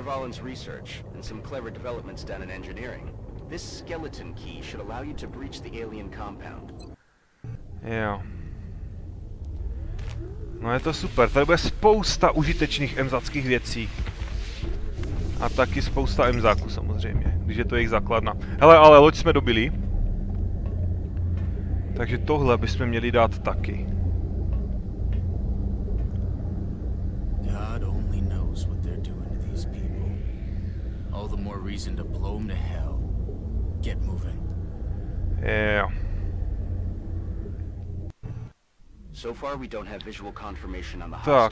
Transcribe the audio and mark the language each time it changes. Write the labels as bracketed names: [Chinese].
[English] Valen's research and some clever developments done in engineering. This skeleton key should allow you to breach the alien compound. [Czech] Jo. No je to super, tady bude spousta užitečných Mzackých věcí. A taky spousta Mzáků samozřejmě, když je to jejich základna. Hele, ale loď jsme dobili. Takže tohle bychom měli dát taky. [English] God only knows what they're doing to these people. the more reason to blow him to hell. Get moving. Yeah. So far we don't have visual confirmation on the hostiles.